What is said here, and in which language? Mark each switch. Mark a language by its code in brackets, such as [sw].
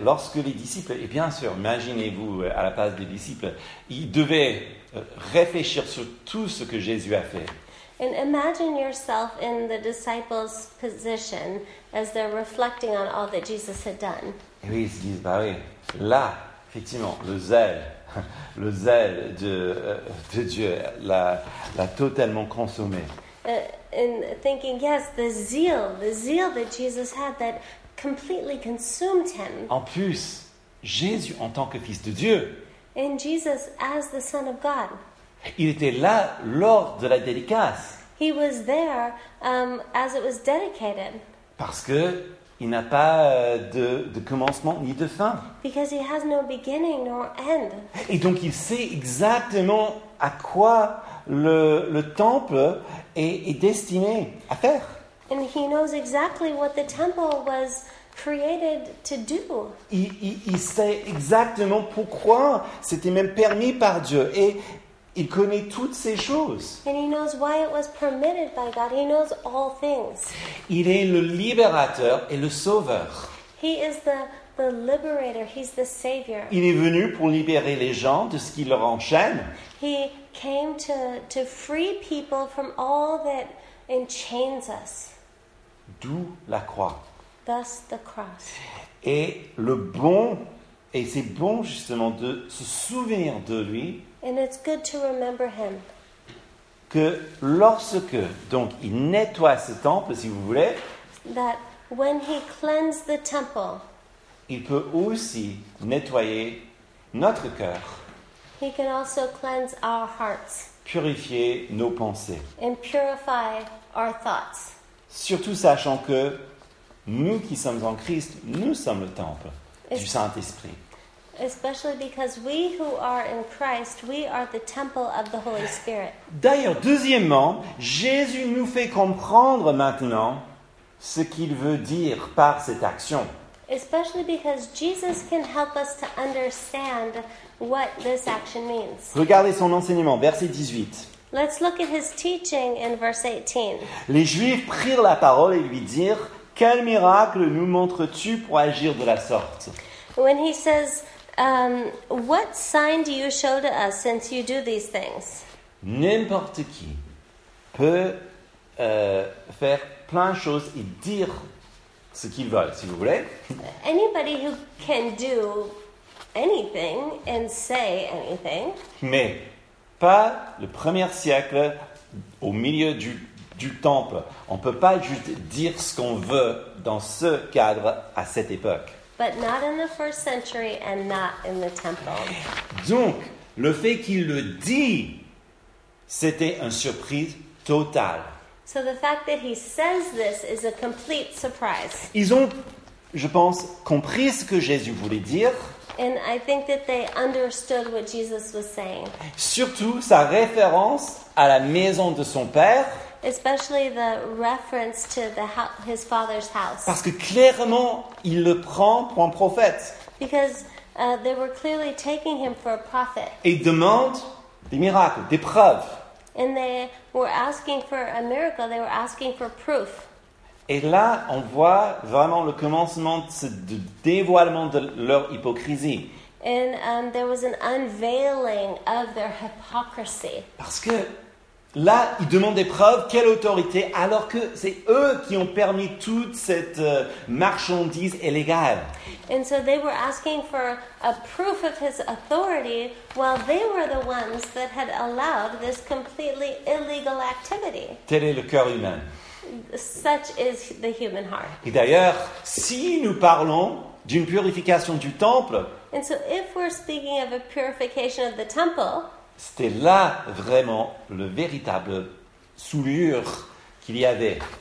[fr] Lorsque les disciples, et bien sûr, imaginez-vous à la place des disciples, ils devaient réfléchir sur tout ce que Jésus a fait. [en] And imagine yourself in the disciples' position as they're reflecting on all that Jesus had done. [fr] Et oui, ils se disent, bah oui, là, effectivement, le zèle de Dieu l'a totalement consommé. [en] And thinking, yes, the zeal that Jesus had that completely consumed him. [fr] En plus, Jésus en tant que fils de Dieu. [en] And Jesus as the Son of God. [fr] Il était là lors de la dédicace. [en] He was there as it was dedicated. [fr] Parce que il n'a pas de commencement ni de fin. [en] Because he has no beginning nor end. [fr] Et donc il sait exactement à quoi le temple est destiné à faire. [en] And he knows exactly what the temple was created to do. [fr] Il sait exactement pourquoi c'était même permis par Dieu. Et il connaît toutes ces choses. [en] And he knows why it was permitted by God. He knows all things. [fr] Il est le libérateur et le sauveur. [en] He is the liberator. He's the savior. [fr] Il est venu pour libérer les gens de ce qui leur enchaîne. [en] He came to free people from all that enchains us. [fr] D'où la croix. [en] Thus the cross. [fr] Et le bon, et c'est bon justement de se souvenir de lui. [en] And it's good to remember him. [fr] Que lorsque, donc, il nettoie ce temple, si vous voulez. [en] That when he cleansed the temple. [fr] Il peut aussi nettoyer notre cœur. [en] He can also cleanse our hearts. [fr] Purifier nos pensées. [en] And purify our thoughts. [fr] Surtout sachant que nous qui sommes en Christ, nous sommes le temple du Saint-Esprit. [en] Especially because we who are in Christ, we are the temple of the Holy Spirit. [fr] D'ailleurs, deuxièmement, Jésus nous fait comprendre maintenant ce qu'il veut dire par cette action. [en] Especially because Jesus can help us to understand what this action means. [fr] Regardez son enseignement, verset 18. [en] Let's look at his teaching in verse 18. [fr] Les Juifs prirent la parole et lui dirent, « Quel miracle nous montres-tu pour agir de la sorte ?» [en] When he says, what sign do you show to us since you do these things? [fr] N'importe qui peut faire plein de choses et dire ce qu'il veut, si vous voulez. [en] Anybody who can do anything and say anything. [fr] Mais pas le premier siècle au milieu du temple. On ne peut pas juste dire ce qu'on veut dans ce cadre à cette époque. [en] But not in the first century and not in the temple. [fr] Donc, le fait qu'il le dit, c'était une surprise totale. [en] So the fact that he says this is a complete surprise. [fr] Ils ont, je pense, compris ce que Jésus voulait dire. [en] And I think that they understood what Jesus was saying. [fr] Surtout sa référence à la maison de son père. [en] Especially the reference to his father's house. [fr] Parce que clairement, il le prend pour un prophète. [en] Because they were clearly taking him for a prophet. [fr] Et il demande des miracles, des preuves. [en] And they were asking for a miracle, they were asking for proof. [fr] Et là, on voit vraiment le commencement de dévoilement de leur hypocrisie. [en] And there was an unveiling of their hypocrisy. [fr] Parce que là, ils demandent des preuves, quelle autorité, alors que c'est eux qui ont permis toute cette marchandise illégale. [en] And so they were asking for a proof of his authority while they were the ones that had allowed this completely illegal activity. [fr] Tel est le cœur humain. [en] Such is the human heart. [fr] Et d'ailleurs, si nous parlons d'une purification du temple, [en] and so if we're speaking of a purification of the temple, [fr] c'était là vraiment le véritable souillure qu'il y avait.